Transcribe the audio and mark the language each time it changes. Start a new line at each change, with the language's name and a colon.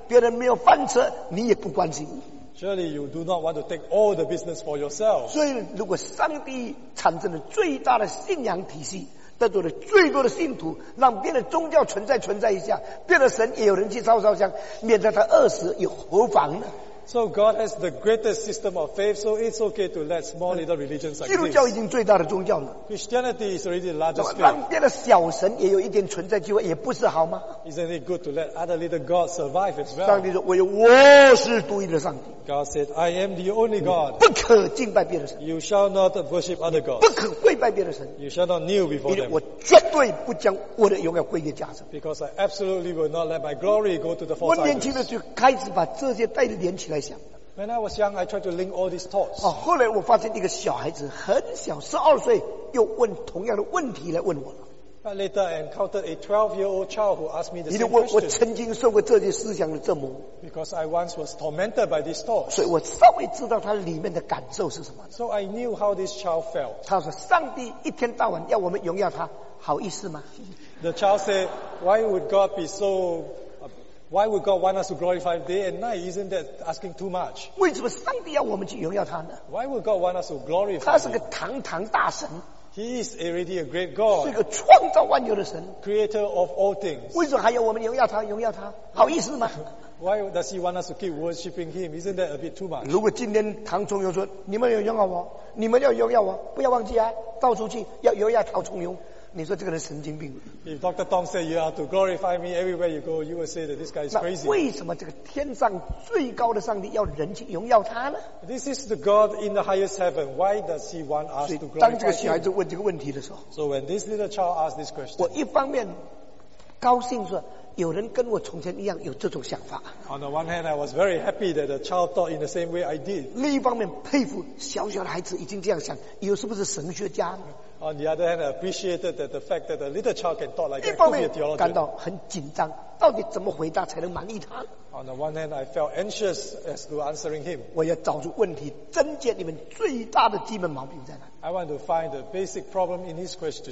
Chinese: 好像所有的生意只要你一个人做，你才甘愿，别人没有饭吃，你也不关心。
English: Surely you do not want to take all the business for yourself.
Chinese: 所以如果上帝产生了最大的信仰体系， 得罪了最多的信徒，让别的宗教存在存在一下，别的神也有人去烧烧香，免得他饿死，又何妨呢？
English: So God has the greatest system of faith, so it's okay to let small little religions like this.
Chinese: 基督教已经最大的宗教了。
English: Christianity is already the largest faith.
Chinese: 让别的小神也有一点存在机会，也不是好吗？
English: Isn't it good to let other little gods survive as well?
Chinese: 上帝说，我是独一的上帝。
English: God said, I am the only God.
Chinese: 不可敬拜别的神。
English: You shall not worship other gods.
Chinese: 不可跪拜别的神。
English: You shall not kneel before them.
Chinese: 我绝对不将我的荣耀归给假神。
English: Because I absolutely will not let my glory go to the false idols.
Chinese: 我年轻的时候开始把这些带着连起来想的。
English: When I was young, I tried to link all these thoughts.
Chinese: 哦，后来我发现一个小孩子很小，12岁，又问同样的问题来问我了。
English: But later I encountered a 12-year-old child who asked me the same question.
Chinese: 因为我曾经受过这些思想的折磨。
English: Because I once was tormented by these thoughts.
Chinese: 所以我稍微知道他里面的感受是什么。
English: So I knew how this child felt.
Chinese: 他说：“上帝一天到晚要我们荣耀他，好意思吗？”
English: The child said, "Why would God be so? Why would God want us to glorify day and night? Isn't that asking too much?"
Chinese: 为什么上帝要我们去荣耀他呢
English: ？Why would God want us to glorify?
Chinese: 他是个堂堂大神。
English: He is already a great God.
Chinese: 是个创造万有的神。
English: Creator of all things.
Chinese: 为什么还要我们荣耀他？荣耀他，好意思吗
English: ？Why does he want us to keep worshiping him? Isn't that a bit too much?
Chinese: 如果今天唐崇荣说：“你们要荣耀我，你们要荣耀我，不要忘记啊，到处去要荣耀陶崇荣。” 你说这个人神经病。
English: If Dr. Tom said you are to glorify me everywhere you go, you will say that this guy is crazy.
Chinese: 为什么这个天上最高的上帝要人去荣耀他呢
English: ？This is the God in the highest heaven. Why does he want us to glorify him?
Chinese: 当这个小孩子问这个问题的时候
English: ，So when this little child asked this question,
Chinese: 我一方面高兴说有人跟我从前一样有这种想法。
English: On the one hand, I was very happy that the child thought in the same way I did.
Chinese: 另一方面佩服小小的孩子已经这样想，以后是不是神学家呢？
English: On the other hand, I appreciated that the fact that a little child can talk like that could be a theologian.
Chinese: 感到很紧张，到底怎么回答才能满意他
English: ？On the one hand, I felt anxious as to answering him.
Chinese: 我要找出问题症结里面最大的基本毛病在哪
English: ？I want to find the basic problem in his question.